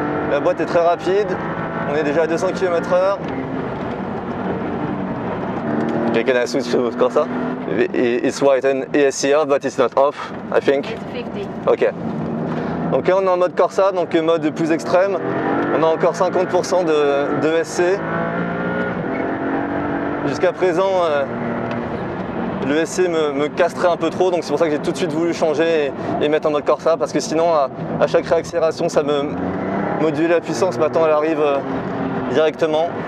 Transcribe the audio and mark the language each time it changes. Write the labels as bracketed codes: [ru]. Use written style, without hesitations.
[fr] La boîte est très rapide, on est déjà à 200 km/h. [en] Okay, can I switch to Corsa? It's written ESC off, but it's not off, I think. It's 50. Okay. [fr] Donc là, on est en mode Corsa, donc mode plus extrême. On a encore 50% de ESC. Jusqu'à présent, le ESC me castrait un peu trop, donc c'est pour ça que j'ai tout de suite voulu changer et mettre en mode Corsa, parce que sinon, à chaque réaccélération, ça me moduler la puissance, maintenant elle arrive directement.